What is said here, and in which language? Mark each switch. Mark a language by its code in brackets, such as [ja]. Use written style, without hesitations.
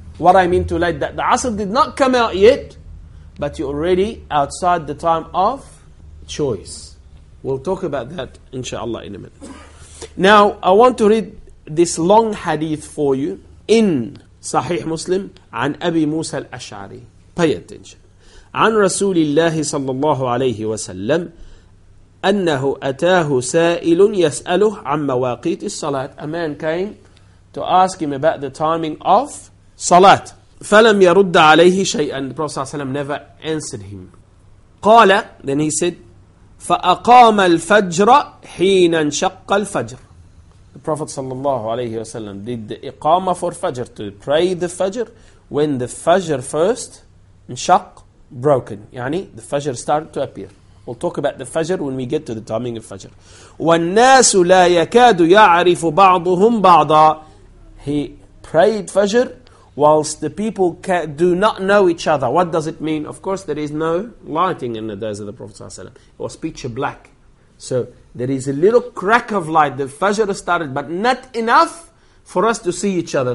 [en] What I mean too late, that the Asr did not come out yet, but you're already outside the time of choice. We'll talk about that, inshallah, in a minute. Now, I want to read this long hadith for you in Sahih Muslim [ar] عن أبي موسى الأشعري. [en] Pay attention. [ar] عن رسول الله صلى الله عليه وسلم أنه أتاه سائل يسأله عن مواقيت الصلاة. [en] A man came to ask him about the timing of salat. [ar] فلم يرد عليه شيئا. [en] The Prophet صلى الله عليه وسلم never answered him. [ar] قال, [en] then he said, [ar] فأقام الفجر حين انشق الفجر. [en] The Prophet sallallahu alayhi wasallam did the iqama for fajr, to pray the fajr, when the fajr first انشق, broken. يعني the fajr started to appear. We'll talk about the fajr when we get to the timing of fajr. [ar] والناس لا يكاد يعرف بعضهم بعضا. [en] He prayed fajr whilst the people do not know each other. What does it mean? Of course, there is no lighting in the days of the Prophet ﷺ. It was pitch black. So there is a little crack of light. The fajr started, but not enough for us to see each other.